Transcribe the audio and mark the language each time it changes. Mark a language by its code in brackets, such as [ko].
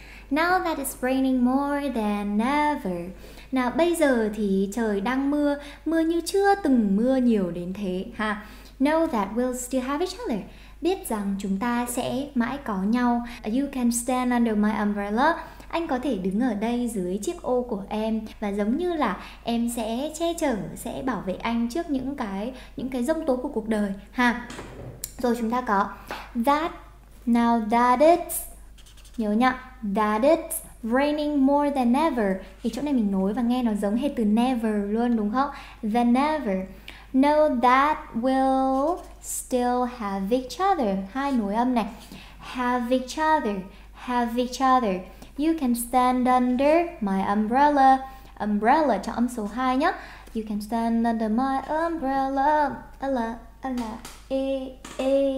[en] Now that it's raining more than ever. [vi] Nào bây giờ thì trời đang mưa, mưa như chưa từng mưa nhiều đến thế ha. [en] Know that we'll still have each other. [vi] Biết rằng chúng ta sẽ mãi có nhau. [en] You can stand under my umbrella. [vi] Anh có thể đứng ở đây dưới chiếc ô của em, và giống như là em sẽ che chở, sẽ bảo vệ anh trước những cái giông tố của cuộc đời ha. Rồi chúng ta có that. [en] Now that it's, nhớ nhá, that it's raining more than ever. [vi] Thì chỗ này mình nối và nghe nó giống hệt từ never luôn, đúng không? [en] Than ever. Know that we'll still have each other. [vi] Hai nối âm này. [en] Have each other. Have each other. You can stand under my umbrella. Umbrella [vi] cho âm số 2 nhá. [en] You can stand under my umbrella. Ella, Ella, A, A.